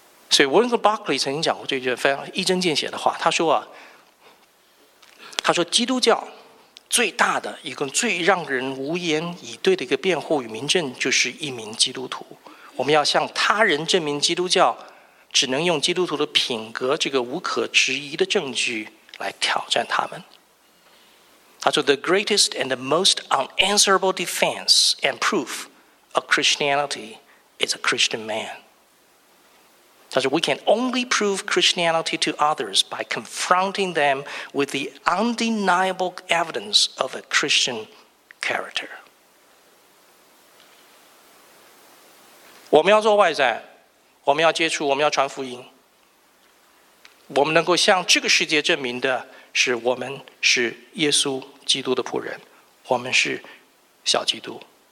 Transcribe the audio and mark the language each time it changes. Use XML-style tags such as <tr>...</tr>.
<zh>所以 Winston Buckley 曾经讲过这句非常一针见血的话，他说基督教最大的一个最让人无言以对的一个辩护与明证，就是一名基督徒，我们要向他人证明基督教只能用基督徒的品格这个无可质疑的证据来挑战他们。他说</zh> <en>The greatest and the most unanswerable defense and proof of Christianity is a Christian man.</en> <zh>他说</zh> <en>We can only prove Christianity to others by confronting them with the undeniable evidence of a Christian character.</en> <zh>我们要做外展，我们要接触，我们要传福音。我们能够向这个世界证明的是，我们是耶稣基督的仆人，我们是小基督。</zh>